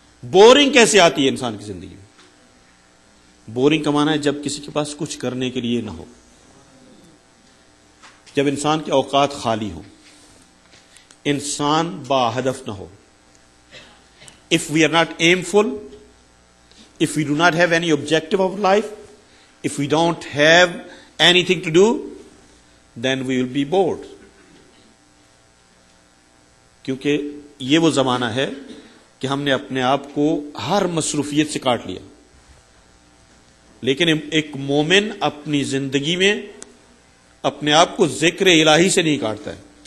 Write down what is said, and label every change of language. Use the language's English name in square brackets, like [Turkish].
[Urdu] Boring کیسے آتی ہے انسان کی زندگی میں؟ بورنگ کمانا ہے جب کسی کے پاس کچھ کرنے کے لیے نہ ہو. جب انسان کے اوقات خالی ہوں, انسان با ہدف نہ ہو, [English] if we are not aimful, if we do not have any objective of life, if we don't have anything to do, then we will be bored. [Urdu] کیونکہ یہ وہ زمانہ ہے کہ ہم نے اپنے آپ کو ہر مصروفیت سے کاٹ لیا. لیکن ایک مومن اپنی زندگی میں اپنے آپ کو ذکر الہی سے نہیں کاٹتا ہے.